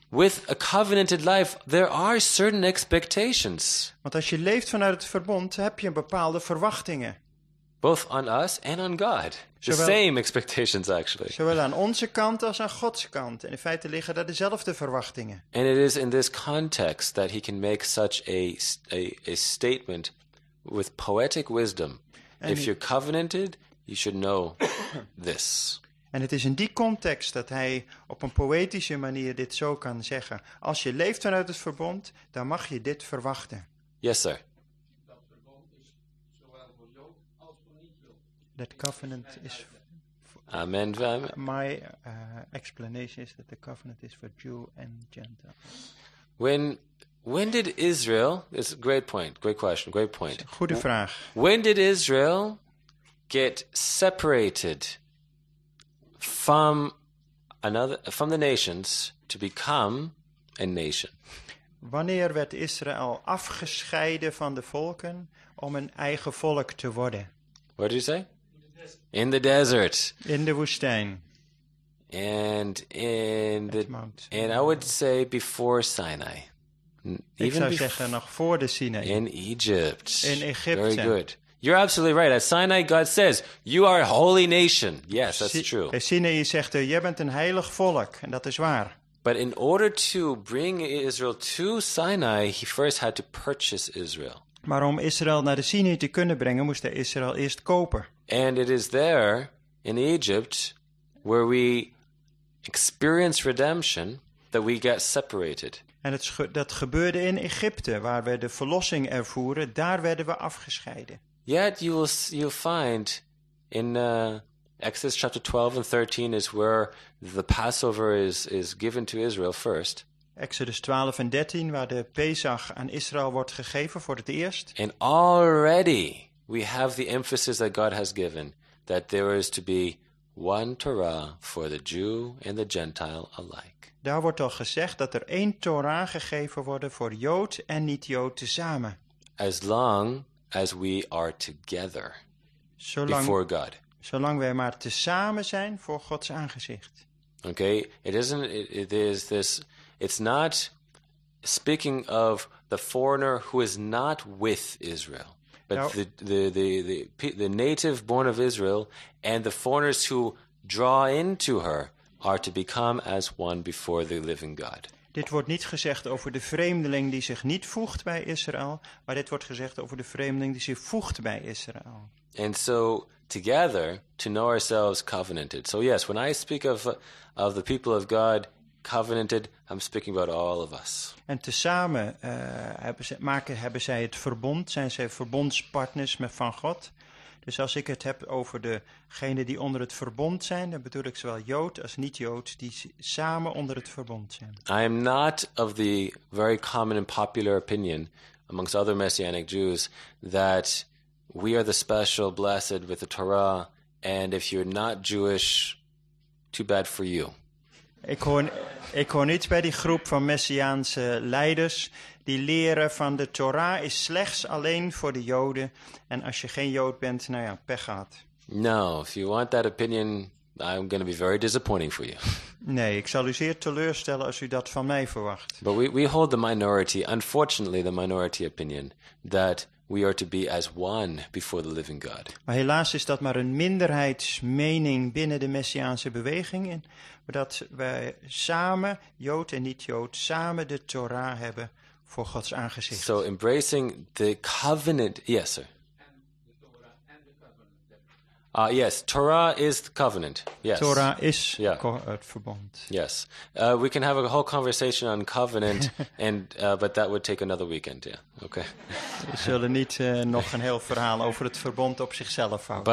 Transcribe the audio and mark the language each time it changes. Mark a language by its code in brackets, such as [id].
[en] With a covenanted life, there are certain expectations. [nl] Want als je leeft vanuit het verbond, heb je bepaalde verwachtingen. [en] Both on us and on God. The same expectations, actually. [nl] Zowel aan onze kant als aan Gods kant. En in feite liggen daar dezelfde verwachtingen. [en] And it is in this context that he can make such a statement with poetic wisdom. If you're covenanted, you should know this. [nl] En het is in die context dat hij op een poëtische manier dit zo kan zeggen. Als je leeft vanuit het verbond, dan mag je dit verwachten. [en] Yes, sir. [nl] Dat verbond is zowel voor Jood als voor niet-Jood. [en] That covenant is... Amen. My explanation is that the covenant is for Jew and Gentile. When did Israel? It's a great point. Great question. Great point. [nl] Goede vraag. [en] When did Israel get separated from the nations to become a nation? [nl] Wanneer werd Israël afgescheiden van de volken om een eigen volk te worden? [en] What did you say? In the desert. [nl] In de woestijn. [en] And in the Mount. And I would say before Sinai. [nl] Zeggen nog voor de Sinaï. [en] In Egypt. [nl] In Egypte. [en] Very good. You're absolutely right. At Sinai, God says, "You are a holy nation." Yes, that's true. [nl] In Sinaï zegt hij, "Je bent een heilig volk," en dat is waar. [en] But in order to bring Israel to Sinai, he first had to purchase Israel. [nl] Maar om Israël naar de Sinaï te kunnen brengen, moest hij Israël eerst kopen. [en] And it is there in Egypt where we experience redemption that we get separated. [nl] En dat gebeurde in Egypte, waar we de verlossing ervoeren. Daar werden we afgescheiden. [en] Yet you'll find in Exodus chapter 12 and 13 is where the Passover is given to Israel first. [nl] Exodus 12 en 13, waar de Pesach aan Israël wordt gegeven voor het eerst. [en] And already we have the emphasis that God has given that there is to be one Torah for the Jew and the Gentile alike. [nl] Daar wordt al gezegd dat er één Torah gegeven wordt voor Jood en niet-Jood tezamen. [en] As long as we are together before God. [nl] Zolang wij maar tezamen zijn voor Gods aangezicht. [en] Okay, it is this. It's not speaking of the foreigner who is not with Israel, but the native born of Israel and the foreigners who draw into her. Are to become as one before the living God. [nl] Dit wordt niet gezegd over de vreemdeling die zich niet voegt bij Israël, maar dit wordt gezegd over de vreemdeling die zich voegt bij Israël. [en] And so together to know ourselves covenanted. So yes, when I speak of the people of God covenanted, I'm speaking about all of us. [nl] En tezamen hebben zij het verbond, zijn zij verbondspartners met van God. Dus als ik het heb over degenen die onder het verbond zijn, dan bedoel ik zowel Jood als niet-Jood die samen onder het verbond zijn. [en] I am not of the very common and popular opinion amongst other Messianic Jews that we are the special blessed with the Torah and if you're not Jewish, too bad for you. [nl] Ik hoor niet bij die groep van Messiaanse leiders die leren van de Torah is slechts alleen voor de Joden. En als je geen Jood bent, nou ja, pech gehad. [en] No, if you want that opinion, I'm going to be very disappointing for you. [nl] Nee, ik zal u zeer teleurstellen als u dat van mij verwacht. [en] But we hold the minority, unfortunately the minority opinion, that We are to be as one before the living God. [nl] Maar helaas is dat maar een minderheidsmening binnen de Messiaanse beweging. Dat wij samen, Jood en niet-Jood, samen de Torah hebben voor Gods aangezicht. [en] So embracing the covenant. Yes, sir. Yes, Torah is the covenant. Yes. [nl] Torah is het verbond. [en] Yes. We can have a whole conversation on covenant, but that would take another weekend, yeah. Okay. [nl] We zullen niet nog een heel verhaal over het verbond op zichzelf houden.